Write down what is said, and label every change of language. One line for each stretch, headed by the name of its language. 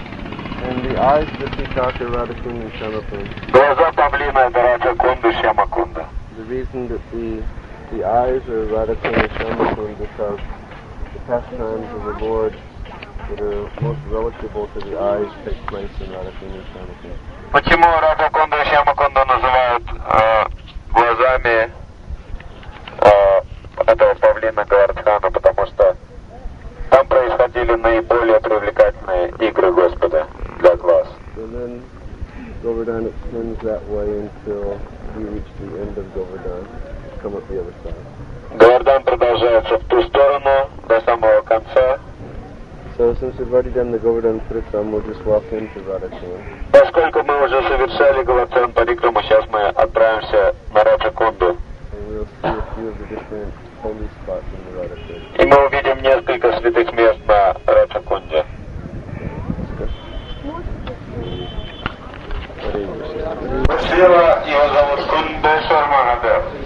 English: And the eyes that we talk about Radhakunda Shyamakunda.
Russian: Глаза павлина это Радхакунда Шьямакунда.
English: The reason that the eyes are Radhakunda Shyamakunda because the pastimes of the Lord that are most relatable to the eyes take place in Radhakunda Shyamakunda.
Russian: Почему Радхакунда Шьямакунда называют глазами этого павлина Говардхана? Потому что там происходили наиболее привлекательные игры Господа.
English: And then Govardhan extends that way until we reach the end of Govardhan, come up the other side.
Russian: Govardhan продолжается в ту сторону до самого конца.
English: So since we've already done the Govardhan Parikrama, we'll just walk into Radhakunda.
Russian: Поскольку мы уже совершали Govardhan Parikrama, сейчас мы отправимся на Радхакунду.
English: And we'll see a few of the different holy spots in the Radhakunda.
Russian: И мы увидим несколько святых мест на Радхакунде. Васила, его зовут Кундешвар Махадев.